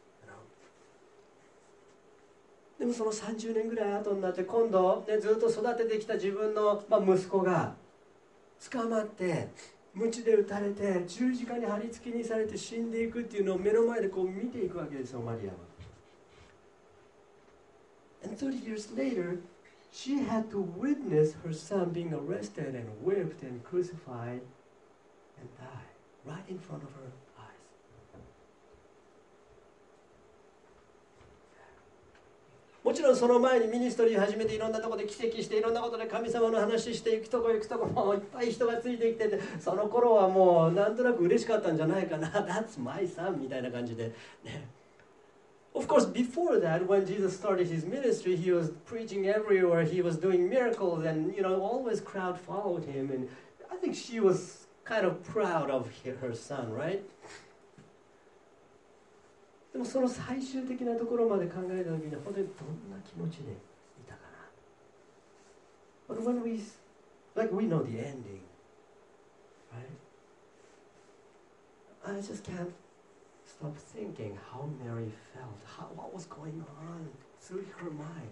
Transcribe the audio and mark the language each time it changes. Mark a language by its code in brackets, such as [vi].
[en] You know? [ja] でもその30年ぐらい後になって今度、ね、ずっと育ててきた自分の、まあ、息子が捕まって鞭で打たれて十字架に張り付けにされて死んでいくっていうのを目の前でこう見ていくわけですよ、マリアは。 [en] And 30 years later, she had to witness her son being arrested and whipped and crucified and die right in front of her eyes. Well, [ja] もちろんその前にミニストリー始めていろんなところで奇跡していろんなことで神様の話して行くとこ行くとこもいっぱい人がついてきててその頃はもうなんとなく嬉しかったんじゃないかな That's my son みたいな感じで、ね、 [en] Of course before that when Jesus started his ministry he was preaching everywhere he was doing miracles and you know always crowd followed him and I think she was kind of proud of her son right? [ja] でもその最終的なところまで考えたときに本当にどんな気持ちでいたかな。 [en] But when we, like we know the ending, right? I just can't stop thinking how Mary felt, how, what was going on through her mind.